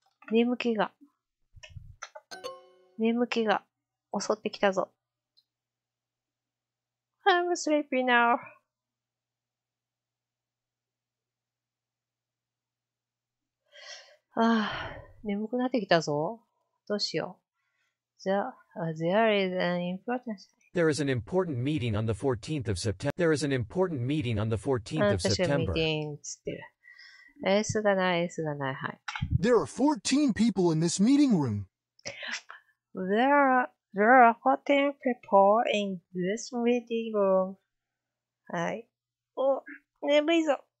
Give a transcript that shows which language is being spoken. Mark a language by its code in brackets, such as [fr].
[ja] 眠気が、襲ってきたぞ。 [en] I'm sleepy now. [ja] ああ、眠くなってきたぞ。どうしよう。 [en] There is an important meeting. There is an important meeting on the 14th of September. There is an important meeting on the 14th of September. [ja] あ、私はミーティングつってる。S がない、S がない、はい。 [en] There are 14 people in this meeting room. There are 14 people in this meeting room. [ja] はい。お、眠いぞ。